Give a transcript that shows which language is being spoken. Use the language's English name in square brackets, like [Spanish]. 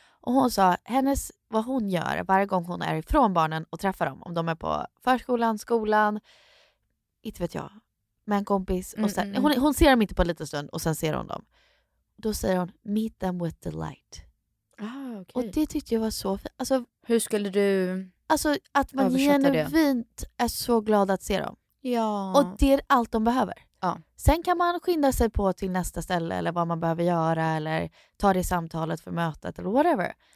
[Swedish] Och hon sa hennes vad hon gör varje gång hon är ifrån barnen och träffar dem om de är på förskolan, skolan, inte vet jag, med en kompis och sen hon ser dem inte på en liten stund och sen ser hon dem. Då säger hon [English] meet them with the light. Okay. [Swedish] Och det tyckte jag var så fint. Alltså hur skulle du alltså att man genuint är så glad att se dem. Ja. Och det är allt de behöver. Ja. Sen kan man skynda sig på till nästa ställe eller vad man behöver göra eller ta det samtalet för mötet eller whatever.